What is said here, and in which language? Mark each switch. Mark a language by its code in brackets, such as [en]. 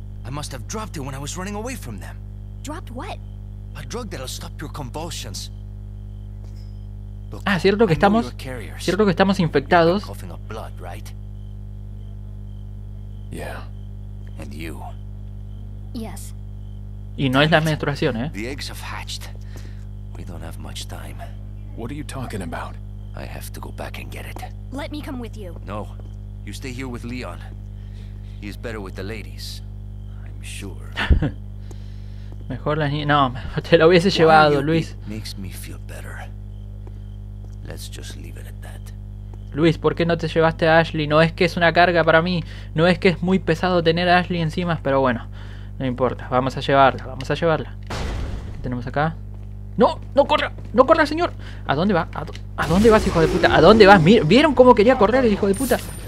[en] I must have dropped it when I was running away from them. Dropped what? A drug that'll stop your convulsions. [es] Look, ah, cierto que estamos. Cierto que estamos infectados. [en] Blood, right? Yeah. And you. Yes. [es] Y no es la menstruación, ¿eh? [en] The eggs have hatched. We don't have much time. What are you talking about? I have to go back and get it. Let me come with you. No. You stay here with Leon. He's better with the ladies. I'm sure. [es] Mejor la niña. No, te lo hubiese llevado, Luis. [en] Makes me feel better. Let's just leave it at that. [es] Luis, ¿por qué no te llevaste a Ashley? No es que es una carga para mí. No es que es muy pesado tener a Ashley encima, pero bueno. No importa. Vamos a llevarla, vamos a llevarla. ¿Qué tenemos acá? ¡No! ¡No corra! ¡No corra, señor! ¿A dónde va? ¿A dónde vas, hijo de puta? ¿A dónde vas? ¿Vieron cómo quería correr el hijo de puta?